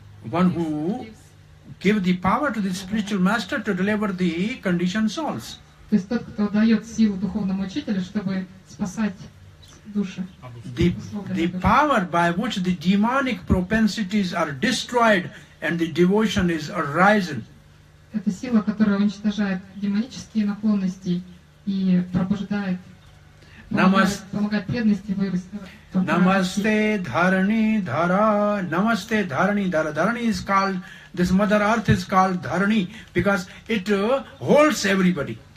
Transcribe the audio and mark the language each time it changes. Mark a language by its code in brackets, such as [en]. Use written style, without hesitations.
[en] One who gives the power to the spiritual master to deliver the conditioned souls. [ru] То есть тот, кто дает силу духовному учителю, чтобы спасать. [en] The power by which the demonic propensities are destroyed and the devotion is arisen. [ru] Это сила, которая уничтожает демонические наклонности и пробуждает, помогает преданности вырасти. [sa] Намасте Дхарани Дхара. Намасте Дхарани Дхара. [en] Дхарани is called, this Mother Earth is called Дхарани, because it holds everybody.